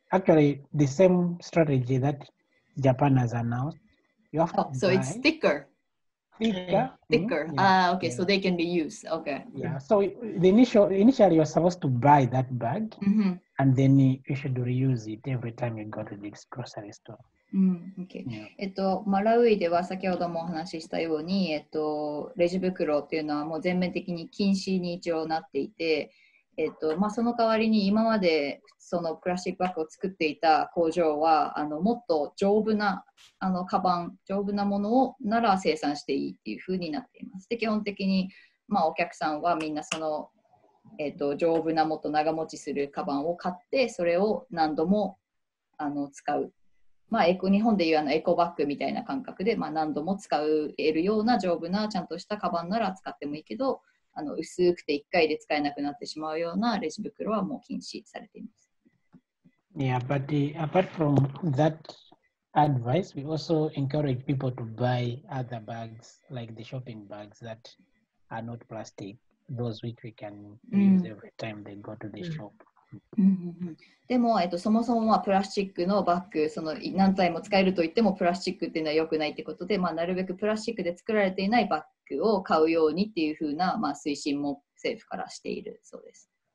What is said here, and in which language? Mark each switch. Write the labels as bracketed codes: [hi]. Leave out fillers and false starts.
[en] Actually, the same strategy that Japan has announced. It's thicker. Thicker. Mm-hmm. Yeah. Okay, yeah. So they can be used. Okay. Yeah. So initially you're supposed to buy that bag, mm-hmm. and then you should reuse it every time you go to the grocery store. Okay. [ja] マラウイでは先ほどもお話ししたように、レジ袋っていうのはもう全面的に禁止に一応なっていて、その代わりに今までそのプラスチックバッグを作っていた工場はもっと丈夫なカバン丈夫なものをなら生産していいっていう風になっています。で基本的に、お客さんはみんなその、丈夫なもっと長持ちするカバンを買ってそれを何度も使う、日本でいうエコバッグみたいな感覚で、何度も使えるような丈夫なちゃんとしたカバンなら使ってもいいけど薄くて1回で使えなくなってしまうようなレジ袋はもう禁止されています。 [en] Yeah, but apart from that advice, we also encourage people to buy other bags, like the shopping bags that are not plastic, those which we can use every time they go to the shop. [ja] でも、そもそもプラスチックのバッグ、その何体も使えると言ってもプラスチックっていうのは良くないってことで、なるべくプラスチックで作られていないバッグを買うようにっていう風な、推進も政府からしているそうです。